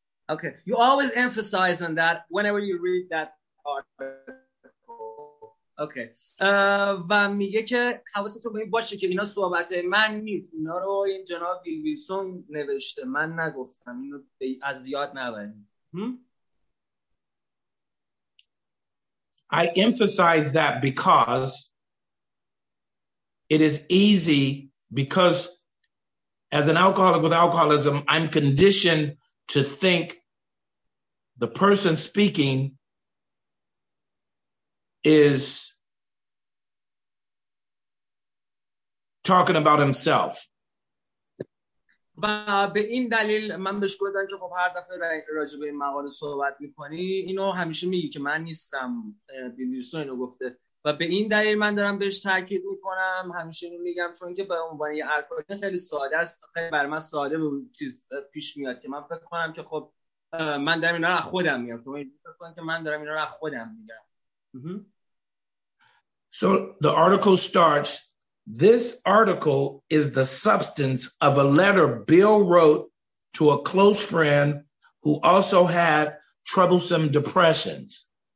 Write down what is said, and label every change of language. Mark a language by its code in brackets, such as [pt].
[en] Okay, you always emphasize on that whenever you read that article. Okay. [fa] و میگه که حواستون باشه که اینا صحبت من نیست، اینا رو این جناب بیل ویلسون نوشته، من نگفتم، اینو از یاد نبرید. [en] I emphasize that because it is easy, because as an alcoholic with alcoholism, I'm conditioned to think the person speaking is talking about himself. [fa] و به این دلیل من بهش گفتم که خب هر دفعه راجع به این مقاله صحبت میکنی اینو همیشه میگی که من نیستم، بیل ویلسون اینو گفته، و به این دلیل من دارم بهش تاکید میکنم، همیشه اینو میگم، چون که به عنوان یه الکلی خیلی ساده است، خیلی بر من ساده به اون چیز پیش میاد که من فکر کنم که خب من دارم اینا رو از خودم میگم، تو این فکر کن که من دارم اینا رو از خودم میگم. [en] So the article starts: this article is the substance of a letter Bill wrote to a close friend who also had troublesome depressions.